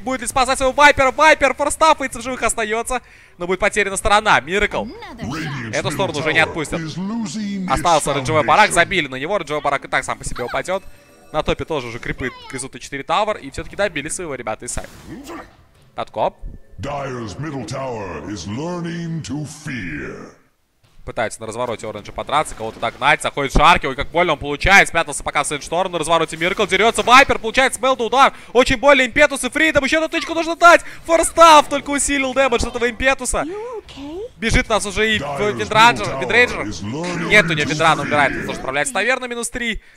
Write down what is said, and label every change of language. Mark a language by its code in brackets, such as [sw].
[ru] Будет ли спасать своего Вайпера? Вайпер форстапается. В живых остается. Но будет потеряна сторона. Миркл. Эту сторону уже не отпустят. Остался оранжевый барак. Забили на него. Оранжевый барак и так сам по себе упадет. На топе тоже уже крипы. Крисут и 4 тавер. И все-таки добили своего ребята и сами. Откоп. [en] Dire's middle tower is learning to fear. [ru] Пытается на развороте Оранжа подраться, кого-то догнать, заходит Шарки, ой, как больно он получает, спрятался пока в Сэндшторм, на развороте Миркл дерется, Вайпер получает смелда удар, очень больно Импетус и Фридом, еще одну тычку нужно дать, Форстав только усилил дэмэдж этого Импетуса. Бежит у нас уже и Винрейнджер. Нет, у него Винран умирает, он тоже справляется, наверное, минус 3.